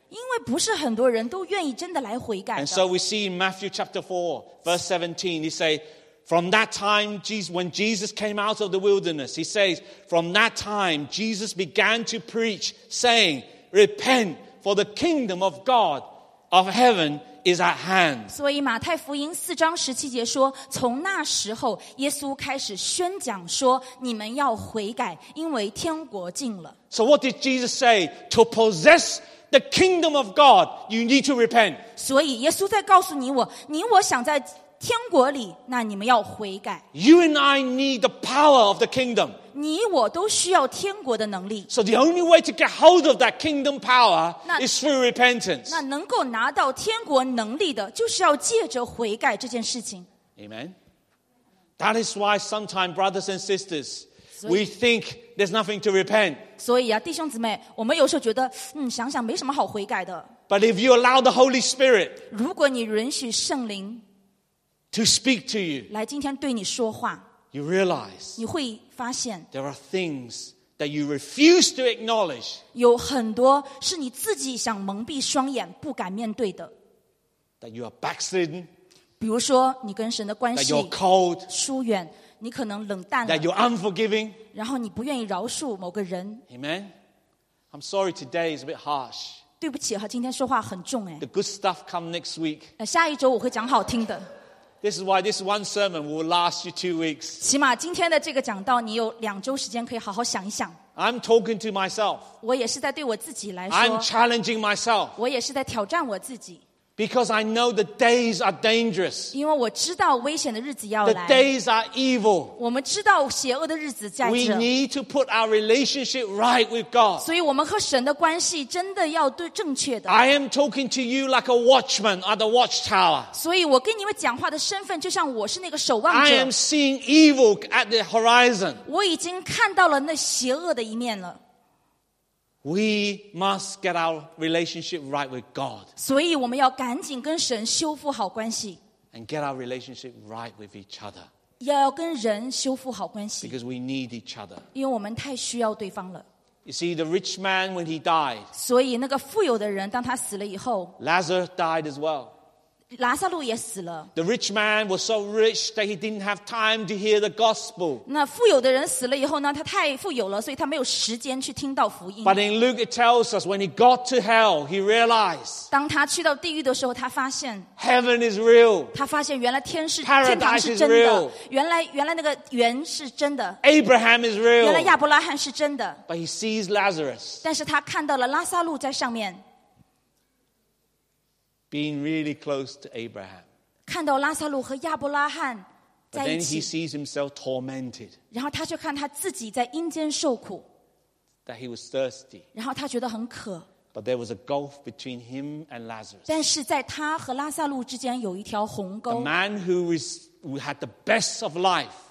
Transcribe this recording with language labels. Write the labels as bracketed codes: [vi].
[zh] 因为不是很多人都愿意真的来悔改的。 [en] And so we see in Matthew chapter 4, verse 17, he says, From that time, Jesus, when Jesus came out of the wilderness, he says, From that time, Jesus began to preach, saying, Repent, for the kingdom of God of heaven is at hand. [zh] 所以马太福音四章十七节说，从那时候，耶稣开始宣讲说，你们要悔改，因为天国近了。 [en] So what did Jesus say? To possess the kingdom of God, you need to repent. [zh] 所以耶稣在告诉你我，你我想在天国里，那你们要悔改。 [en] You and I need the power of the kingdom. [zh] 你我都需要天国的能力。 [en] So the only way to get hold of that kingdom power is through repentance. [zh] 那能够拿到天国能力的，就是要借着悔改这件事情。 [en] Amen. That is why sometimes, brothers and sisters, we think there's nothing to repent. [zh] 所以啊，弟兄姊妹，我们有时候觉得，嗯，想想没什么好悔改的。 [en] But if you allow the Holy Spirit, [zh] 如果你允许圣灵 [en] to speak to you, [zh] 来今天对你说话， [en] you realize, [zh] 你会发现 [en] there are things that you refuse to acknowledge. [zh] 有很多是你自己想蒙蔽双眼不敢面对的。 [en] That you are backslidden. [zh] 比如说你跟神的关系 [en] that you're cold, [zh] 疏远。你可能冷淡了 [en] that you're unforgiving. [zh] 然后你不愿意饶恕某个人 [en] Amen. I'm sorry today is a bit harsh. [zh] 对不起啊，今天说话很重哎。 [en] The good stuff come next week. [zh] 下一周我会讲好听的。 [en] This is why this one sermon will last you 2 weeks. [zh] 起码今天的这个讲道你有两周时间可以好好想一想。 [en] I'm talking to myself. [zh] 我也是在对我自己来说。 [en] I'm challenging myself. [zh] 我也是在挑战我自己。 [en] Because I know the days are dangerous. [zh] 因为我知道危险的日子要来。 [en] The days are evil. [zh] 我们知道邪恶的日子在这。 [en] We need to put our relationship right with God. [zh] 所以我们和神的关系真的要对正确的。 [en] I am talking to you like a watchman at the watchtower. [zh] 所以我跟你们讲话的身份就像我是那个守望者。 [en] I am seeing evil at the horizon. [zh] 我已经看到了那邪恶的一面了。 [en] We must get our relationship right with God. [zh] 所以我们要赶紧跟神修复好关系。 [en] And get our relationship right with each other. [zh] 要跟人修复好关系。 [en] Because we need each other. [zh] 因为我们太需要对方了。 [en] You see, the rich man when he died. [zh] 所以那个富有的人当他死了以后。 [en] Lazarus died as well. [zh] 拉撒路也死了。 [en] The rich man was so rich that he didn't have time to hear the gospel. [zh] 那富有的人死了以后呢，他太富有了，所以他没有时间去听到福音。 [en] But in Luke it tells us when he got to hell, he realized. [zh] 当他去到地狱的时候，他发现 [en] heaven is real. [zh] 他发现原来天是 [en] paradise [zh] 天堂是真的 [en] is real. [zh] 原来那个园是真的 [en] Abraham is real. [zh] 原来亚伯拉罕是真的 [en] But he sees Lazarus. [zh] 但是他看到了拉撒路在上面。 [en] Being really close to Abraham. [zh] 看到拉撒路和亚伯拉罕在一起。 [en] But then he sees himself tormented. [zh] 然后他就看他自己在阴间受苦。 [en] That he was thirsty. [zh] 然后他觉得很渴。 [en] But there was a gulf between him and Lazarus. [zh] 但是在他和拉撒路之间有一条鸿沟。 [en] The man who had the best of life.